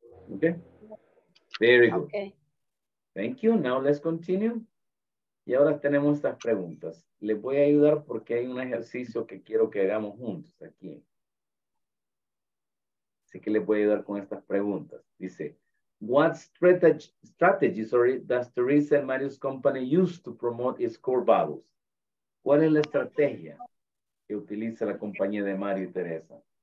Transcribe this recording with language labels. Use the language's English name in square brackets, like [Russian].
[English] Ok. Very good. Okay. Thank you. Now let's continue. [Spanish] Y ahora tenemos estas preguntas. Les voy a ayudar porque hay un ejercicio que quiero que hagamos juntos aquí. Así que les voy a ayudar con estas preguntas. Dice, [English] what strategy does Teresa and Mario's company use to promote its core values? [Spanish] ¿Cuál es la estrategia que utiliza la compañía de Mario y Teresa?